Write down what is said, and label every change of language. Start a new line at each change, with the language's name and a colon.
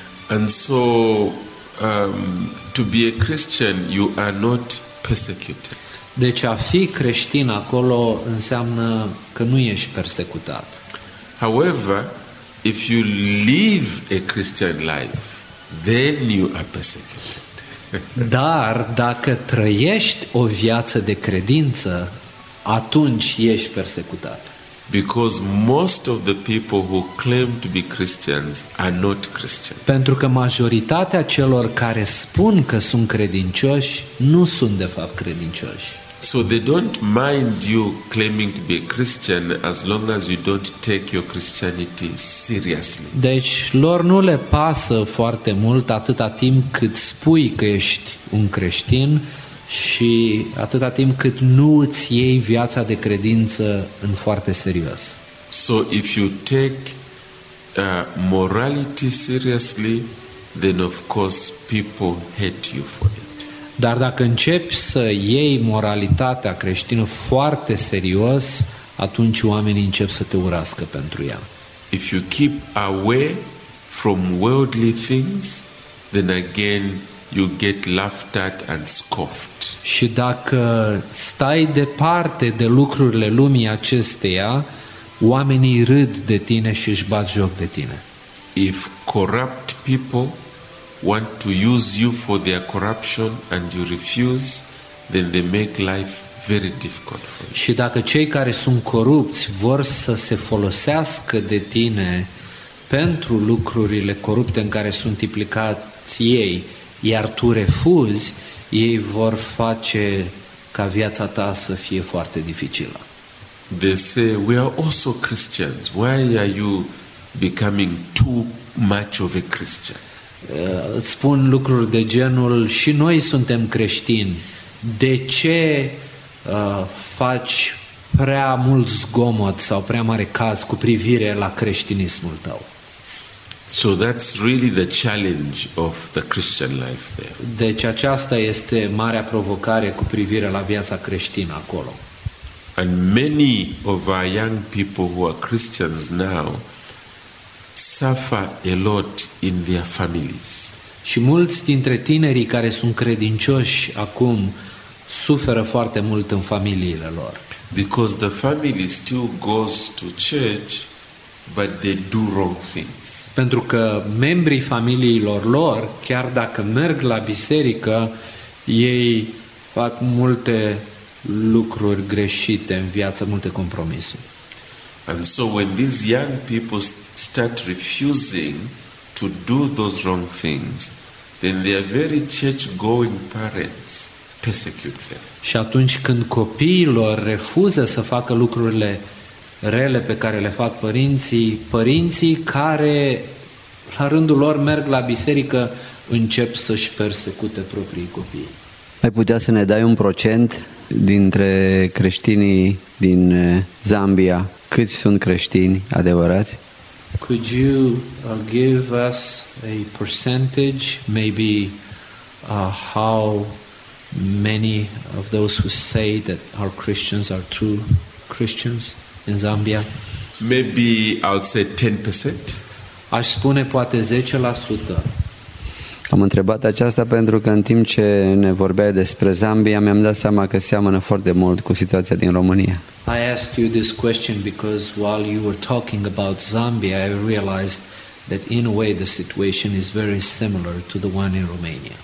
English: And so to be a Christian you are not persecuted.
Romanian: Deci a fi creștin acolo înseamnă că nu ești persecutat.
English: However, if you live a Christian life, then you are persecuted.
Romanian: Dar dacă trăiești o viață de credință, atunci ești persecutat.
English: Because most of the people who claim to be Christians are not Christians.
Romanian: Pentru că majoritatea celor care spun că sunt credincioși nu sunt de fapt credincioși.
English: So they don't mind you claiming to be a Christian as long as you don't take your Christianity seriously.
Romanian: Deci lor nu le pasă foarte mult atâta timp cât spui că ești un creștin și atâta timp cât nu îți iei viața de credință în foarte serios.
English: So if you take morality seriously, then of course people hate you for it.
Romanian: Dar dacă începi să iei moralitatea creștină foarte serios, atunci oamenii încep să te urască pentru ea.
English: If you keep away from worldly things, then again you get laughed at and scoffed.
Romanian: Și dacă stai departe de lucrurile lumii acesteia, oamenii râd de tine și își bat joc de tine.
English: If corrupt people want to use you for their corruption and you refuse, then they make life very difficult for you.
Romanian: Și dacă cei care sunt corupți vor să se folosească de tine pentru lucrurile corupte în care sunt implicați ei, iar tu refuzi, ei vor face ca viața ta să fie foarte dificilă.
English: They say we are also Christians. Why are you becoming too much of a Christian?
Romanian: Spun lucruri de genul și noi suntem creștini. De ce faci prea mult zgomot sau prea mare caz cu privire la creștinismul tău?
English: So that's really the challenge of the Christian life there.
Romanian: Deci aceasta este marea provocare cu privire la viața creștină acolo.
English: And many of our young people who are Christians now suffer a lot in their families.
Romanian: Și mulți dintre tinerii care sunt credincioși acum suferă foarte mult în familiile lor.
English: Because the family still goes to church, but they do wrong things.
Romanian: Pentru că membrii familiilor lor, chiar dacă merg la biserică, ei fac multe lucruri greșite în viață, multe compromisuri.
English: And so when these young people start refusing to do those wrong things, then their very church-going parents persecute them.
Romanian: Și atunci când copiilor refuză să facă lucrurile rele pe care le fac părinții care la rândul lor merg la biserică încep să-și persecute proprii copii. Ai putea să ne dai un procent dintre creștinii din Zambia? Câți sunt creștini adevărați?
English: Could you give us a percentage, maybe how many of those who say that our Christians are true Christians in Zambia? Maybe I'll say 10%.
Romanian: Aș spune poate 10%. Am întrebat aceasta pentru că în timp ce ne vorbeai despre Zambia, mi-am dat seama că seamănă foarte mult cu situația din România.
English: I asked you this question because while you were talking about Zambia, I realized that in a way the situation is very similar to the one in Romania.